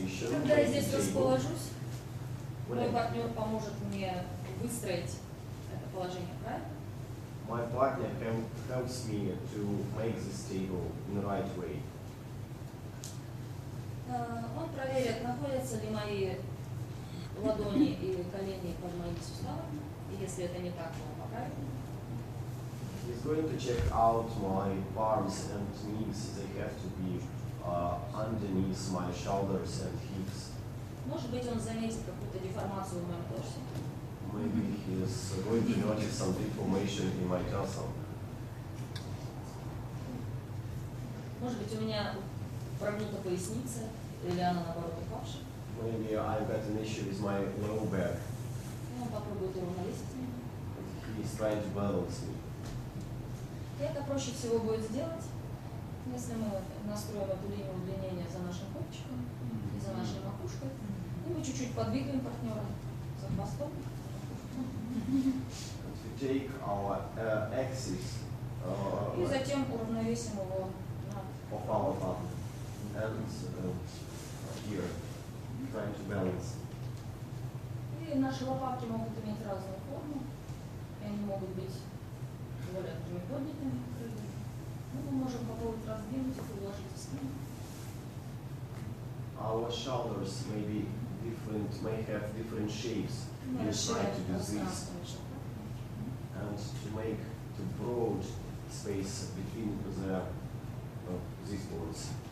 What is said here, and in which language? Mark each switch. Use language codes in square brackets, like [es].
[ru] Когда я здесь расположусь, мой партнер поможет мне выстроить это положение правильно. [en] My partner helps me to make this table in the right way. [ru] Он проверит, находятся ли мои ладони и колени под моими суставами, и если это не так, он поправит. [en] He's going to check out my arms and knees. They have to be underneath my shoulders and hips. [ru] Может быть, он заметит какую-то деформацию в моем торсе. [en] Maybe he is going to notice some deformation in my torso. [ru] Может быть, у меня прогнута поясница или она наоборот упавшая. [en] Maybe I've got an issue with my low back. [ru] Он попробует уравновесить меня. [en] He is trying to balance me. [ru] Это проще всего будет сделать. Если мы настроим эту линию удлинения за нашим копчиком и за нашей макушкой, и мы чуть-чуть подвигаем партнера за хвостом. [en] We take our axis, [ru] и затем уравновесим его [en] of our partner. And here, trying to balance. [ru] И наши лопатки могут иметь разную форму, и они могут быть более приподнятыми. Мы можем попробовать раздвинуть их и уложить в спину. [en] Our shoulders may be different, may have different shapes. We try to do this. And to make the broad space between the these bones.